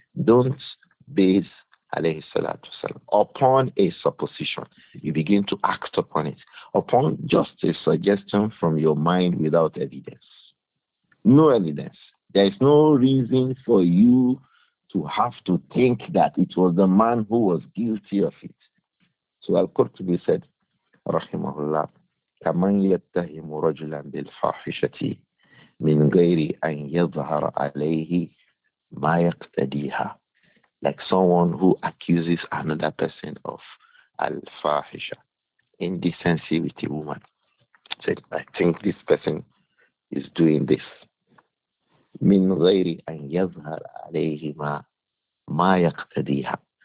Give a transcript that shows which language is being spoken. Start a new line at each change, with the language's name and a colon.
English: Don't base, alayhi salatu wasalam, upon a supposition. You begin to act upon it. Upon just a suggestion from your mind without evidence. No evidence. There is no reason for you to have to think that it was the man who was guilty of it. So Al-Qurtubi said,
Arabic: Rahimahullah, كَمَنْ يَتَّهِمُ رَجُلًا بِالْفَاحِشَةِ مِنْ غَيْرِ أَنْ يَظْهَرَ عَلَيْهِ مَا يَقْتَدِيهَا.
English: Like someone who accuses another person of al-fahisha, indecency with a woman. Said, I think this person is doing this.
Arabic: مِنْ غَيْرِ أَنْ يَظْهَرَ عَلَيْهِ مَا يَقْتَدِيهَا.